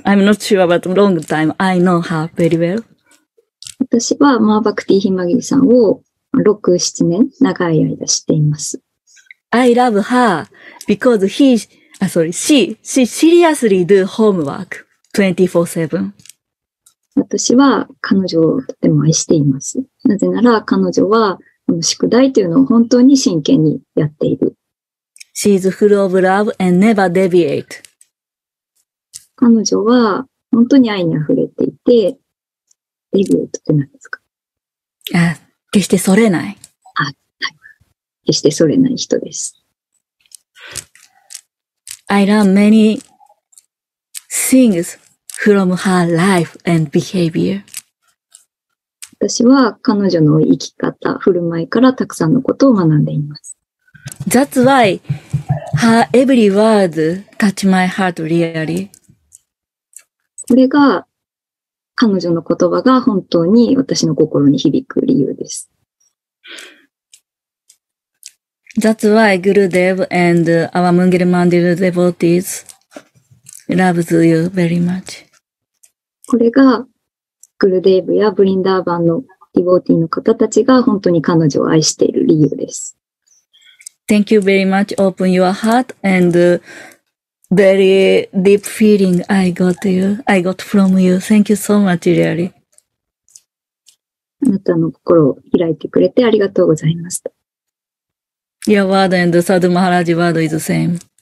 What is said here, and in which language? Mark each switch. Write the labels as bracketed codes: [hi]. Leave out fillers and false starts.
[en] I'm not sure about long time. I know her very well. [ja] 私は Ma Bhakti Himagiri さんを6、7年長い間知っています。 [en] I love her because she seriously do homework 24-7. [ja] 私は彼女をとても愛しています。なぜなら彼女はこの宿題というのを本当に真剣にやっている。 [en] She is full of love and never deviate. [ja] 彼女は本当に愛に溢れていて、デビュートって何ですか？あ、決してそれない。あ、はい。決してそれない人です。 [en] I learn many things. From her life and behavior. [ja] 私は彼女の生き方、振る舞いからたくさんのことを学んでいます。 [en] That's why her every word touch my heart really. [ja] それが彼女の言葉が本当に私の心に響く理由です。 [en] That's why Gurudev and our Mungir Mandir devotees loves you very much. [ja] これが、グルデーブやブリンダーバンのディボーティーの方たちが本当に彼女を愛している理由です。 [en] Thank you very much. Open your heart and very deep feeling I got from you. Thank you so much, really. [ja] あなたの心を開いてくれてありがとうございました。 [en] Your word and Sadhu Maharaj word is the same.